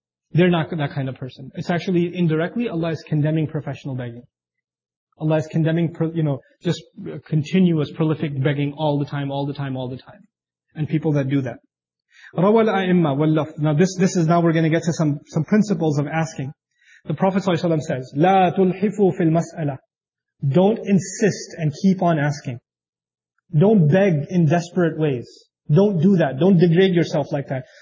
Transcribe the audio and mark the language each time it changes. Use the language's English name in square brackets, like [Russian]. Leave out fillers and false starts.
[English] They're not that kind of person. It's actually, indirectly, Allah is condemning professional begging. Allah is condemning, you know, just continuous, prolific begging all the time. And people that do that. [Arabic] رَوَى الْأَئِمَّةِ وَاللَّفْظِ. [English] Now this is, now we're going to get to some principles of asking. The Prophet ﷺ says, [Arabic] لَا تُلْحِفُوا فِي الْمَسْأَلَةِ. [English] Don't insist and keep on asking. Don't beg in desperate ways. Don't do that. Don't degrade yourself like that.